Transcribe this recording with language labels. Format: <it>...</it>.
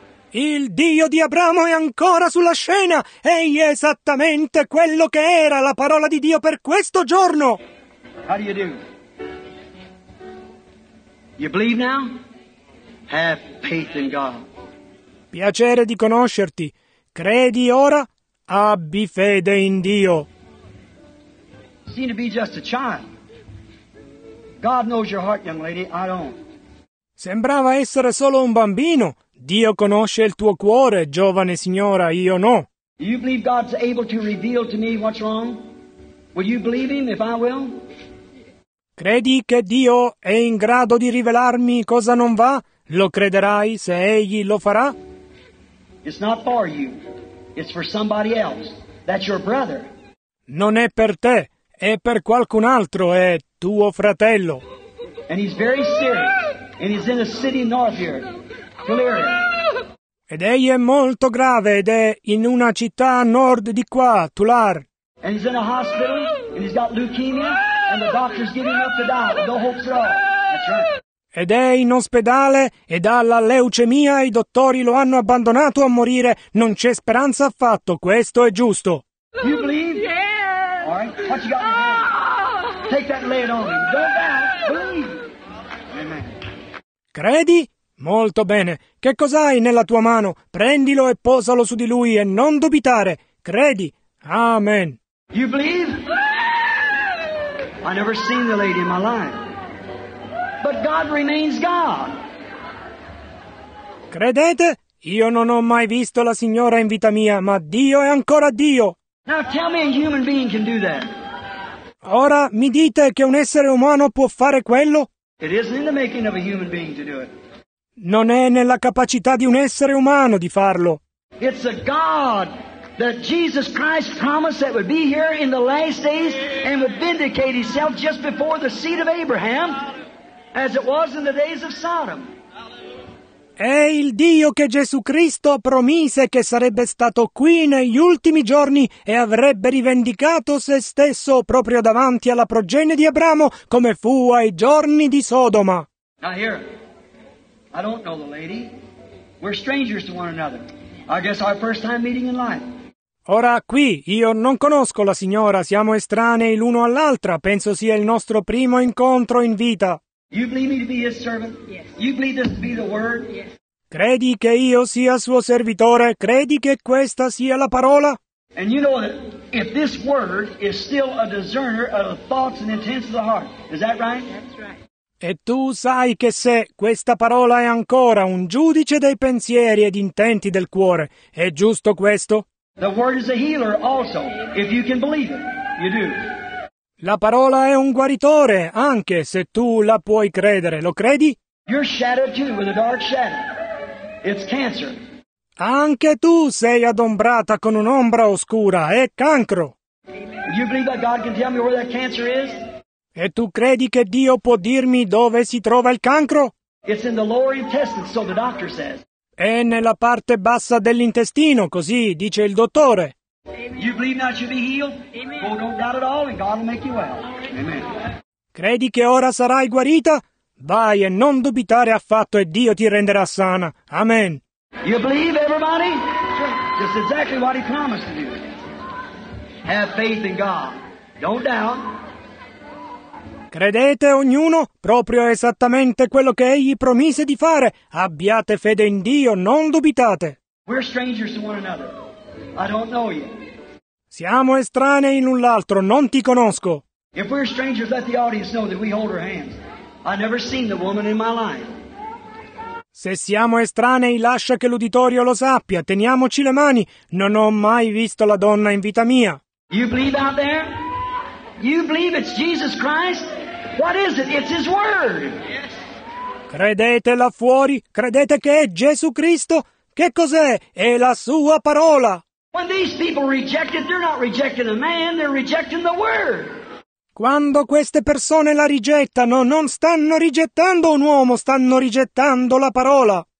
<it>Il Dio di Abramo è ancora sulla scena. Egli è esattamente quello che era la parola di Dio per questo giorno.</it> <en>How do you do? You believe now? Have faith in God.</en> <it>Piacere di conoscerti. Credi ora? Abbi fede in Dio.</it> <en>Seem to be just a child. God knows your heart, young lady. I don't.</en> <it>Sembrava essere solo un bambino. Dio conosce il tuo cuore, giovane signora, io no.</it> <en>You believe God's able to reveal to me what's wrong? Will you believe him if I will?</en> <it>Credi che Dio è in grado di rivelarmi cosa non va? Lo crederai se egli lo farà?</it> <en>It's not for you. It's for somebody else. That's your brother.</en> <it>Non è per te, è per qualcun altro, è tuo fratello.</it> <en>And he's very serious. And he's in a city north here. Clear.</en> <it>Ed egli è molto grave ed è in una città a nord di qua, Tular.</it> <en>And he's in a hospital and he's got leukemia and the doctor's giving up to die. But no hope at all. That's right.</en> <it>Ed è in ospedale ed ha la leucemia e i dottori lo hanno abbandonato a morire. Non c'è speranza affatto, questo è giusto.</it> <en>You believe? Yeah. All right. What you got in your hand? Take that and lay it on him. Go back. Believe. Amen.</en> <it>Credi? Molto bene. Che cos'hai nella tua mano? Prendilo e posalo su di lui e non dubitare. Credi. Amen.</it> <en>You believe? I never seen the lady in my life. But God remains God.</en> <it>Credete? Io non ho mai visto la signora in vita mia, ma Dio è ancora Dio.</it> <en>Now tell me a human being can do that.</en> <it>Ora mi dite che un essere umano può fare quello?</it> <en>It isn't in the making of a human being to do it.</en> <it>Non è nella capacità di un essere umano di farlo.</it> <en>It's a God that Jesus Christ promised that would be here in the last days and would vindicate himself just before the seed of Abraham, as it was in the days of Sodom.</en> <it>È il Dio che Gesù Cristo promise che sarebbe stato qui negli ultimi giorni e avrebbe rivendicato se stesso proprio davanti alla progenie di Abramo come fu ai giorni di Sodoma.</it> <en>Now here. I don't know the lady. We're strangers to one another. I guess our first time meeting in life.</en> <it>Ora qui, io non conosco la signora, siamo estranei l'uno all'altra. Penso sia il nostro primo incontro in vita.</it> <en>You believe me to be his servant? Yes. You believe this to be the word? Yes.</en> <it>Credi che io sia suo servitore? Credi che questa sia la parola?</it> <en>And you know that if this word is still a discerner of the thoughts and intents of the heart, is that right? That's right.</en> <it>E tu sai che se questa parola è ancora un giudice dei pensieri ed intenti del cuore, è giusto questo?</it> <en>The word is a healer also. If you can believe it, you do.</en> <it>La parola è un guaritore, anche se tu la puoi credere, lo credi?</it> <en>Your shadow too, with a dark shadow. It's cancer.</en> <it>Anche tu sei adombrata con un'ombra oscura, è cancro.</it> <en>You believe that God can tell me where that cancer is?</en> <it>E tu credi che Dio può dirmi dove si trova il cancro?</it> <en>It's in the lower intestine, so the doctor says.</en> <it>È nella parte bassa dell'intestino, così dice il dottore.</it> <en>You believe now you'll be healed? Amen. Oh, don't doubt it all, and God will make you well. Amen.</en> <it>Credi che ora sarai guarita? Vai e non dubitare affatto, e Dio ti renderà sana. Amen.</it> <en>You believe, everybody? Just exactly what he promised to do. Have faith in God. Don't doubt.</en> <it>Credete ognuno? Proprio esattamente quello che egli promise di fare. Abbiate fede in Dio, non dubitate.</it> <en>We're strangers to one another. I don't know you.</en> <it>Siamo estranei l'un l'altro, non ti conosco.</it> <en>If we're strangers, let the audience know that we hold our hands. I've never seen the woman in my life.</en> <it>Se siamo estranei, lascia che l'uditorio lo sappia. Teniamoci le mani. Non ho mai visto la donna in vita mia.</it> <en>You believe out there? You believe it's Jesus Christ? What is it? It's his word.</en> <it>Credete là fuori? Credete che è Gesù Cristo? Che cos'è? È la sua parola.</it> <en>When these people reject it, they're not rejecting a man, they're rejecting the word.</en> <it>Quando queste persone la rigettano, non stanno rigettando un uomo, stanno rigettando la parola.</it>